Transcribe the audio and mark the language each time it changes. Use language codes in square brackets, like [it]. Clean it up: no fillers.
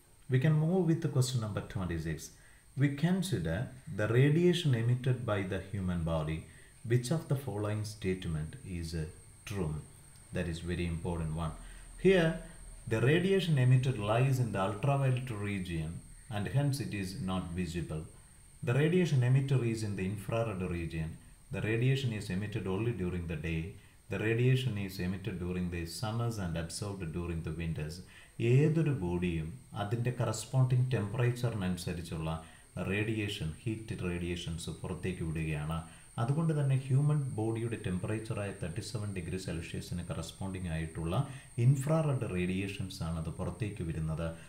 [en] We can move with question number 26. We consider the radiation emitted by the human body. Which of the following statement is true? That is very important one. Here the radiation emitted lies in the ultraviolet region and hence it is not visible. The radiation emitter is in the infrared region. The radiation is emitted only during the day. The radiation is emitted during the summers and absorbed during the winters. [ml] ഏതൊരു ബോഡിയും അതിൻ്റെ corresponding ടെമ്പറേച്ചറിനനുസരിച്ചുള്ള radiation, heat radiations പുറത്തേക്ക് വിടുകയാണ്. അതുകൊണ്ട് തന്നെ human ബോഡിയുടെ ടെമ്പറേച്ചറായ 37 degree സെൽഷ്യസിന് corresponding ആയിട്ടുള്ള infrared radiations ആണ് അത് പുറത്തേക്ക് വരുന്നത്.